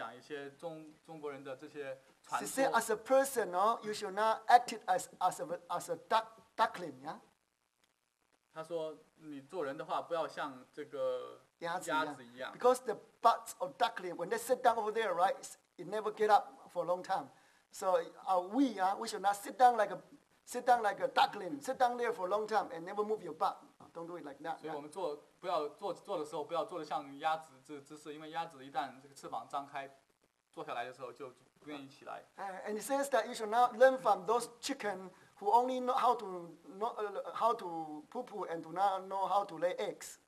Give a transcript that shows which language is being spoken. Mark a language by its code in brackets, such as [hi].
[zh] 我的祖母就经常跟我讲一些中国人的这些传说。 [en] She said, as a person, no, you should not act as a duckling, yeah. [zh] 她说，你做人的话，不要像这个鸭子一样。 [en] Because the butts of duckling, when they sit down over there, right, it never get up for a long time. So, we should not sit down like a duckling, sit down there for a long time and never move your butt. Don't do it like that. [zh] 所以我们做不要做的时候，不要做的像鸭子姿势，因为鸭子一旦这个翅膀张开，坐下来的时候就不愿意起来。 [en] And it says that you should not learn from those chicken who only know how to poo poo and do not know how to lay eggs.